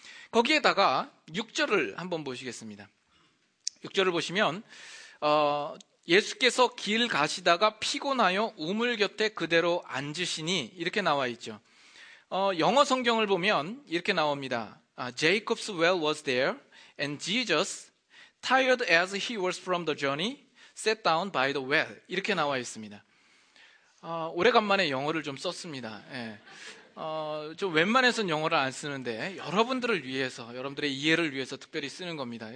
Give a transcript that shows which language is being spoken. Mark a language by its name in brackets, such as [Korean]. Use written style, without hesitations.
[Korean] 거기에다가 6절을 한번 보시겠습니다. 6절을 보시면 예수께서 길 가시다가 피곤하여 우물 곁에 그대로 앉으시니 이렇게 나와 있죠. 영어 성경을 보면 이렇게 나옵니다. [English] Jacob's well was there and Jesus, tired as he was from the journey, sat down by the well. [Korean] 이렇게 나와 있습니다. 오래간만에 영어를 좀 썼습니다. 예. 좀 웬만해서는 영어를 안 쓰는데 여러분들을 위해서, 여러분들의 이해를 위해서 특별히 쓰는 겁니다.